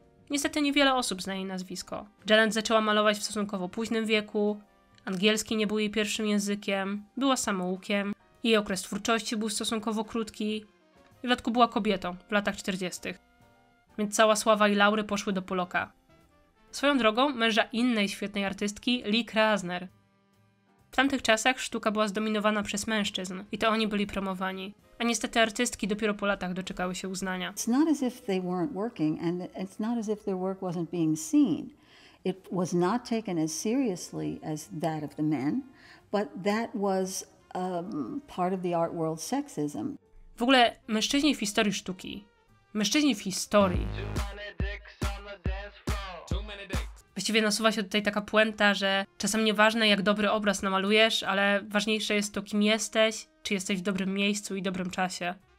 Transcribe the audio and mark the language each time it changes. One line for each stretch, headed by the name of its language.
Polish: Niestety niewiele osób zna jej nazwisko. Janet zaczęła malować w stosunkowo późnym wieku, angielski nie był jej pierwszym językiem, była samoukiem, jej okres twórczości był stosunkowo krótki i w dodatku była kobietą w latach 40. Więc cała sława i laury poszły do Pollocka. Swoją drogą męża innej świetnej artystki, Lee Krasner. W tamtych czasach sztuka była zdominowana przez mężczyzn i to oni byli promowani. A niestety artystki dopiero po latach doczekały się uznania.
English: It's not as if they weren't working and it's not as if their work wasn't being seen. It was not taken as seriously as that of the men, but that was part of the art world sexism.
Polish: W ogóle mężczyźni w historii sztuki. Mężczyźni w historii. Właściwie nasuwa się tutaj taka puenta, że czasem nieważne jak dobry obraz namalujesz, ale ważniejsze jest to kim jesteś, czy jesteś w dobrym miejscu i dobrym czasie.